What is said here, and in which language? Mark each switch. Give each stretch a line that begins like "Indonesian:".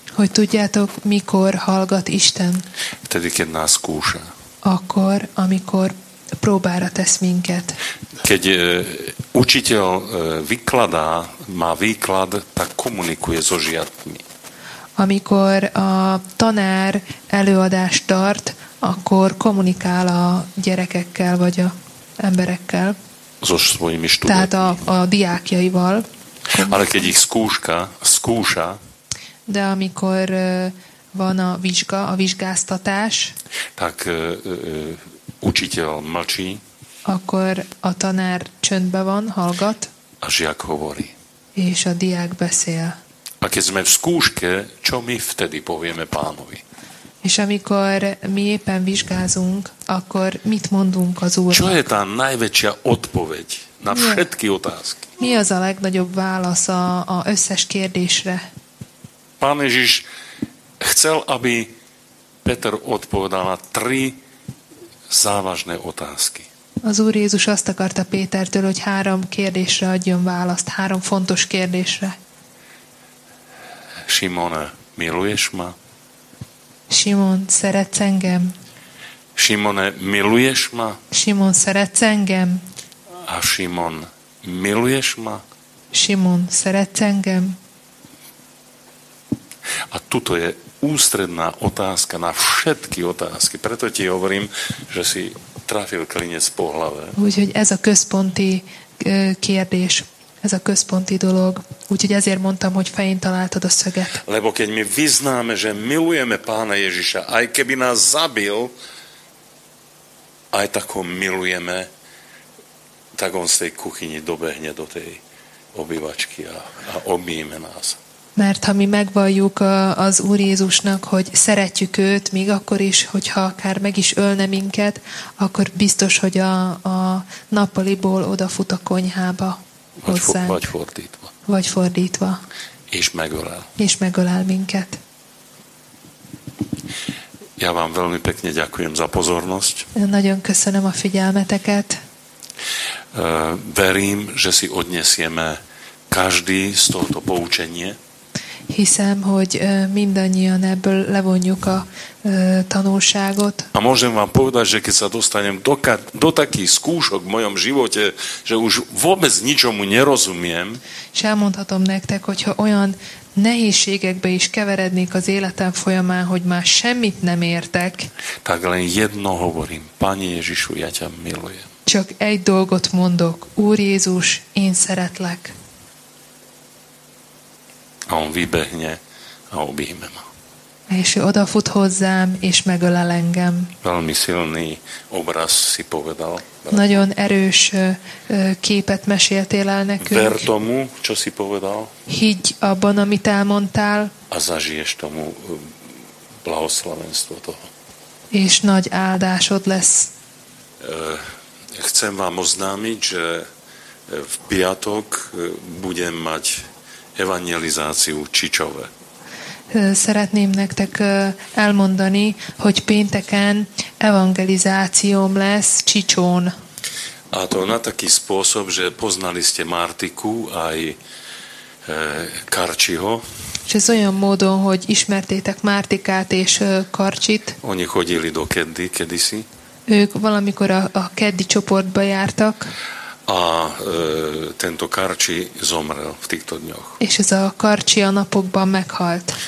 Hungarian: hogy tudjátok, mikor hallgat Isten.
Slovak: Vtedy, keď nás kúša.
Hungarian: Akkor, amikor próbára tesz minket.
Slovak: Keď učiteľ vykladá, má výklad, tak komunikuje so žiakmi.
Hungarian: Amikor a tanár előadást tart, akkor kommunikál a gyerekekkel, vagy a emberekkel.
Slovak: So svojimi študentmi.
Hungarian: Tehát a diákjaival.
Slovak: Ale keď ich skúša,
Hungarian: de amikor van a vizsga, a vizsgáztatás,
Slovak: tak učiteľ mlčí,
Hungarian: akkor a tanár csöndbe van, hallgat,
Slovak: a žiak hovorí,
Hungarian: és a diák beszél.
Slovak: A keď sme v skúške, čo my vtedy povieme Pánovi?
Hungarian: És amikor mi éppen vizsgázunk, akkor mit mondunk az Úrnak?
Slovak: Čo je tá najväčšia odpoveď na všetky otázky?
Hungarian: Mi az a legnagyobb válasz a összes kérdésre?
Slovak: Pán Ježiš chcel, aby Peter odpovedal na tri závažné otázky.
Hungarian: Az Úr Jézus azt akarta Pétertől, hogy három kérdésre adjon választ, három fontos kérdésre.
Slovak: Simon, miluješ ma?
Hungarian: Simon, szeretsz engem?
Slovak: Simon, miluješ ma?
Hungarian: Simon, szeretsz engem?
Slovak: A Simon, miluješ ma?
Hungarian: Simon, szeretsz engem?
Slovak: A tuto je ústredná otázka na všetky otázky. Preto ti hovorím, že si trafil klinec po hlave.
Hungarian: Úgyhogy ez a központi kérdés, ez a központi dolog. Úgyhogy ezért mondtam, hogy fején találtad a szöget.
Slovak: Lebo keď my vyznáme, že milujeme Pána Ježiša, aj keby nás zabil, aj tak ho milujeme, tak on z tej kuchyni dobehne do tej obývačky a obíme nás.
Hungarian: Mert ha mi megvalljuk az Úr Jézusnak, hogy szeretjük őt, még akkor is, hogyha akár meg is ölne minket, akkor biztos, hogy a nappaliból odafut a konyhába hozzánk. Vagy fordítva. Vagy fordítva. És megölel. És megölel minket.
Slovak: Ja vám veľmi pekne ďakujem za pozornosť.
Hungarian: Nagyon köszönöm a figyelmeteket.
Slovak: Verím, že si odnesieme každý z tohto poučenie.
Hungarian: Hiszem, hogy mindannyian ebből levonjuk a tanulságot.
Slovak: A môžem vám povedať, že keď sa dostanem do takých skúšok v mojom živote, že už vôbec ničomu nerozumiem.
Hungarian: És elmondhatom nektek, hogyha olyan nehézségekbe is keverednék az életem folyamán, hogy már semmit nem értek.
Slovak: Tak len jedno hovorím, Pane Ježišu, ja ťa milujem.
Hungarian: Csak egy dolgot mondok, Úr Jézus, én szeretlek.
Slovak: A on vybehne a objíme ma.
Hungarian: És odafut hozzám, és megölel engem.
Slovak: Veľmi silný obraz si povedal.
Hungarian: Nagyon erős képet meséltél el nekünk.
Slovak: Ver tomu, čo si povedal.
Hungarian: Higgy abban, amit elmondtál.
Slovak: A zažiješ tomu blahoslavenstvo toho.
Hungarian: És nagy áldásod lesz.
Slovak: Chcem vám oznámiť, že v piatok budem mať evangelizáciu Čičove.
Hungarian: Szeretném nektek elmondani, hogy pénteken evangelizációm lesz Csicsón.
Slovak: A to na taký spôsob, že poznali ste Martiku aj Karcsiho.
Hungarian: És ez olyan módon, hogy ismertétek Martikát és Karcsit.
Slovak: Oni chodili do Keddi, kedisi.
Hungarian: Ők valamikor a Keddi csoportba jártak.
Slovak: A tento Karcsi zomrel v týchto dňoch.
Hungarian: És ez a Karcsi a napokban meghalt.